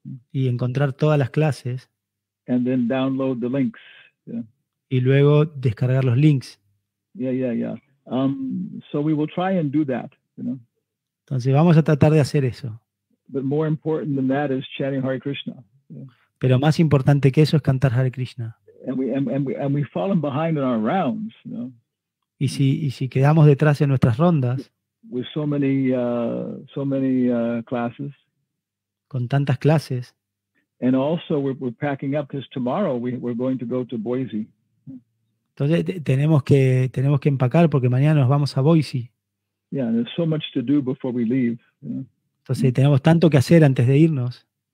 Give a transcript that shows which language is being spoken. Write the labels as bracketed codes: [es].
[es] y encontrar todas las clases [en] then download the links. Yeah. [es] y luego descargar los links. [en] Yeah. So we will try and do that, you know. [es] Entonces vamos a tratar de hacer eso. [en] But more important than that is chanting Hare Krishna. Yeah. [es] Pero más importante que eso es cantar Hare Krishna. [en] And we've fallen behind in our rounds, you [es] Y si quedamos detrás en nuestras rondas, [en] With so many classes. [es] con tantas clases, [en] And also we're packing up because tomorrow we're going to go to Boise. [es] entonces tenemos que empacar porque mañana nos vamos a Boise. [en] Yeah, and there's so much to do before we leave. You [es] Entonces tenemos tanto que hacer antes de irnos.